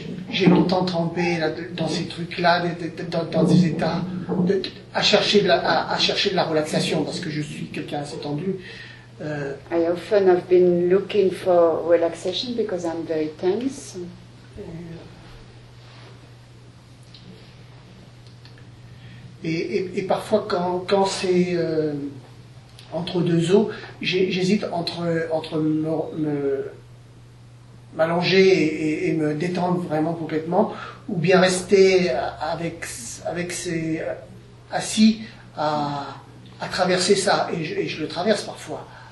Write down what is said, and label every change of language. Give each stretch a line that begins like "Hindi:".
French: J'ai longtemps trempé là, dans ces trucs-là, dans ces états, à chercher de la relaxation, parce que je suis quelqu'un assez tendu.
English: I often have been looking for relaxation because I'm very tense.
French: Et parfois, quand c'est entre deux eaux, j'hésite entre me m'allonger et me détendre vraiment complètement, ou bien rester avec ces assis à traverser ça, et je le traverse parfois.